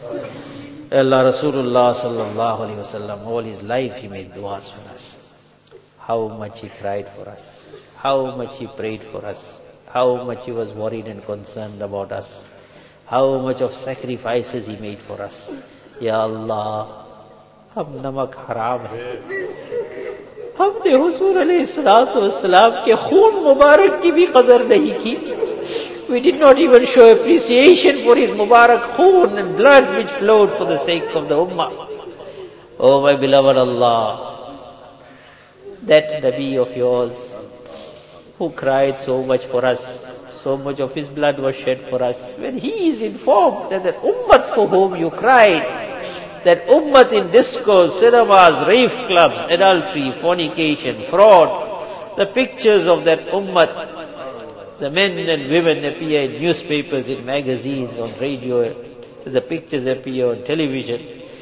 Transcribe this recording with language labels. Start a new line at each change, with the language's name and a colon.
English: Ya Allah, Rasulullah sallallahu alayhi wa sallam, all his life he made duas for us. How much he cried for us. How much he prayed for us. How much he was worried and concerned about us. How much of sacrifices he made for us.
Urdu: Ya Allah, hum namak haram hai. ہم نے حضور علیہ الصلوۃ والسلام کے خون مبارک کی بھی قدر نہیں کی.
English: We did not even show appreciation for his
Urdu: مبارک خون
English: and blood which flowed for the sake of the ummah. Oh my beloved Allah, that Nabi of yours who cried so much for us, so much of his blood was shed for us, when he is informed that the ummah for whom you cried, that ummah in discos, cinemas, rave clubs, adultery, fornication, fraud, the pictures of that ummah, the men and women appear in newspapers, in magazines, on radio, the pictures appear on television.